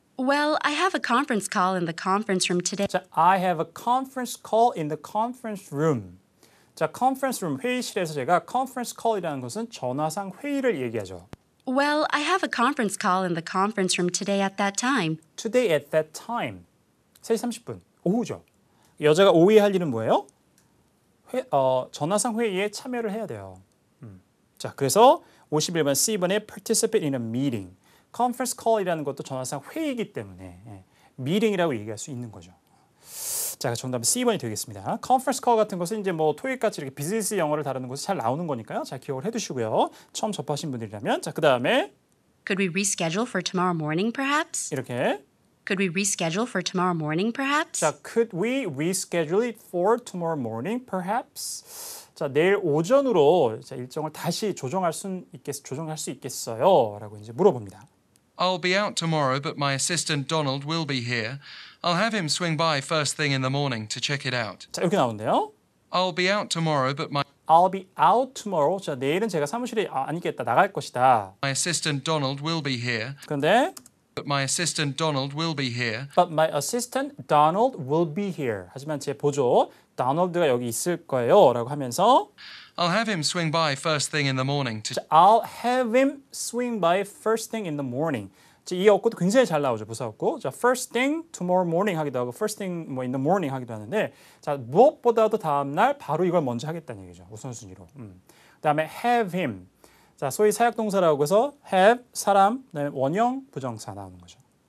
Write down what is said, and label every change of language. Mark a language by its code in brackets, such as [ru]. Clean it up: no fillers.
[en] Well, I have a conference call in the conference room today. 자, I have a conference call in the conference room. [ko] 자, conference room, 회의실에서 제가 conference call이라는 것은 전화상 회의를 얘기하죠. [en] Well, I have a conference call in the conference room today at that time. Today at that time. [ko] 3시 30분, 오후죠. 여자가 오후에 할 일은 뭐예요? 전화상 회의에 참여를 해야 돼요. 자, 그래서 51번 C번에 [en] participate in a meeting. [ko] conference call이라는 것도 전화상 회의이기 때문에 meeting이라고 얘기할 수 있는 거죠. 자, 정답은 C번이 되겠습니다. conference call 같은 것은 이제 뭐 토익같이 이렇게 비즈니스 영어를 다루는 곳에 잘 나오는 거니까요. 잘 기억을 해두시고요. 처음 접하신 분들이라면 자, 그다음에 [en] Could we reschedule for tomorrow morning perhaps? [ko] 이렇게 [en] Could we reschedule for tomorrow morning perhaps? 자, could we reschedule it for tomorrow morning perhaps? [ko] 자, 내일 오전으로 일정을 다시 조정할 수 있겠어요? 라고 이제 물어봅니다. [en] I'll be out tomorrow, but my assistant Donald will be here. I'll have him swing by first thing in the morning to check it out. [ko] 자, 이렇게 나오는데요. [en] I'll be out tomorrow, but my I'll be out tomorrow. [ko] 자, 내일은 제가 사무실에 안 있겠다. 나갈 것이다. [en] My assistant Donald will be here. [ko] 그런데 [en] But my assistant Donald will be here. But my assistant Donald will be here. [ko] 하지만 제 보조 도널드가 여기 있을 거예요라고 하면서 [en] I'll have him swing by first thing in the morning. I'll have him swing by first thing in the morning. [ko] 이 어구도 굉장히 잘 나오죠. 부사 어구. 자, [en] first thing tomorrow morning [ko] 하기도 하고 first thing 뭐 [en] in the morning [ko] 하기도 하는데 자, 무엇보다도 다음 날 바로 이걸 먼저 하겠다는 얘기죠. 우선순위로. 그다음에 [en] have him. [ko] 자, 소위 사역동사라고 해서 have 사람 원형 부정사 나오는 거죠.